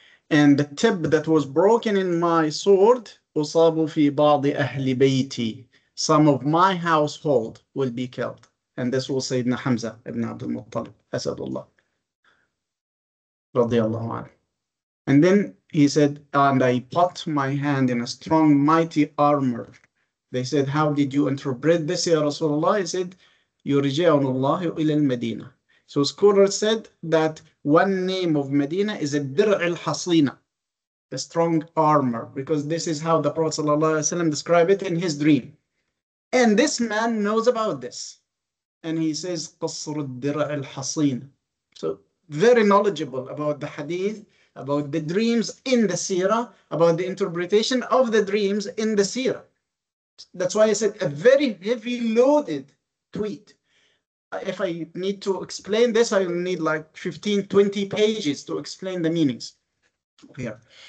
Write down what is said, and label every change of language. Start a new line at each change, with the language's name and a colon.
English: And the tip that was broken in my sword,
Arabic: أصابوا في بعض أهل بيتي,
English: some of my household will be killed. And this was Sayyidina Hamza ibn Abdul Muttalib, Asadullah, رضي الله عنه. And then he said, and I put my hand in a strong, mighty armor. They said, how did you interpret this, Ya Rasulullah? He said,
Arabic: يرجعون الله إلى المدينة.
English: So scholars said that one name of Medina is
Arabic: الدرع الحصينة,
English: the strong armor, because this is how the Prophet sallallahu alaihi wasallam described it in his dream. And this man knows about this. And he says,
Arabic: قصر الدرع الحصينة.
English: So very knowledgeable about the hadith, about the dreams in the seerah, about the interpretation of the dreams in the seerah. That's why I said a very heavy loaded tweet. If I need to explain this, I need like 15, 20 pages to explain the meanings here.